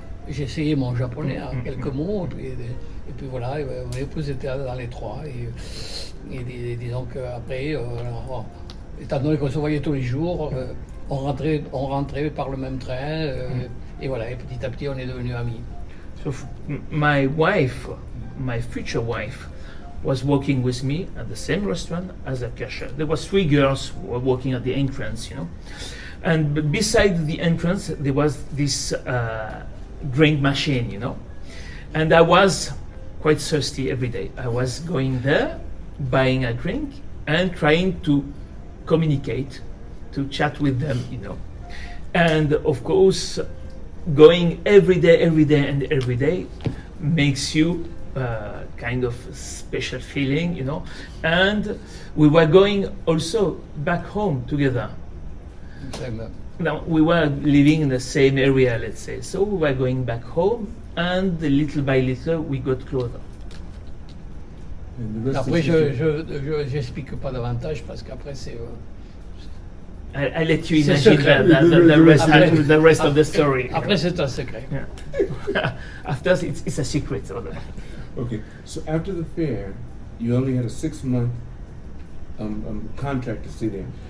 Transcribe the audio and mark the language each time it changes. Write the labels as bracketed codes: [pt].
[fr] J'essayais mon japonais en quelques mots, et puis voilà, mon épouse était dans les trois. Et disons qu'après, étant donné qu'on se voyait tous les jours, on rentrait par le même train, et voilà, et petit à petit on est devenus amis. [en] So my future wife, was working with me at the same restaurant as a cashier. There were three girls who were working at the entrance, you know. And beside the entrance, there was this drink machine, you know. And I was quite thirsty every day. I was going there, buying a drink, and trying to communicate, to chat with them, you know. And of course, going every day makes you kind of special feeling, you know. And we were going also back home together. Now, we were living in the same area, let's say. So we were going back home, and little by little, we got closer. [fr] Après, je n'explique pas davantage, parce qu'après, c'est... [en] I let you imagine the rest of the story. [fr] Après, c'est un secret. [en] Yeah. After, it's a secret. Okay, so after the fair, you only had a 6-month contract to stay there.